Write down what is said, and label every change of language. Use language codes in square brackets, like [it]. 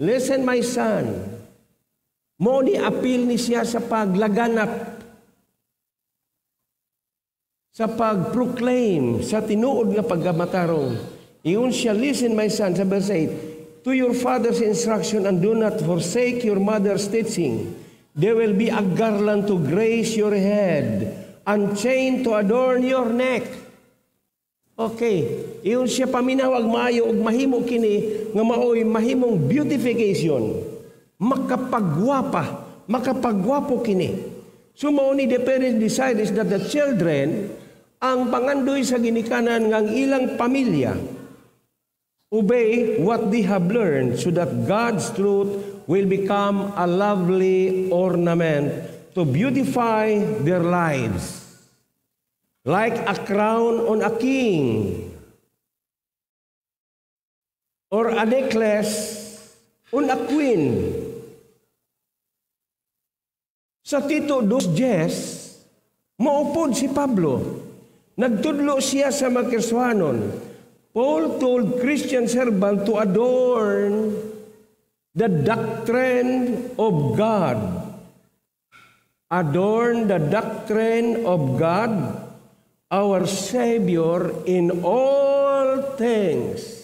[en] Listen, my son. [ceb] Mao ni appeal ni siya sa paglaganap, sa pag-proclaim, sa tinuod nga paggamatarong. Iyon siya, [en] listen, my son, [ceb] sa verse 8, [en] to your father's instruction and do not forsake your mother's teaching. There will be a garland to grace your head and chain to adorn your neck. [ceb] Okay, iyon siya paminawag maayo og mahimo kini nga maoy mahimong beautification. Makapagwapa, makapagwapo kini. [en] So mauni the parents' desire is that the children [ceb] ang pangandoy sa ginikanan ng ilang pamilya [en] obey what they have learned so that God's truth will become a lovely ornament to beautify their lives. Like a crown on a king or a necklace on a queen. [ceb] Sa Tito 2:10, maupod si Pablo. Nagtudlo siya sa makiswanon. [en] Paul told Christian servant to adorn the doctrine of God. Adorn the doctrine of God, our Savior, in all things.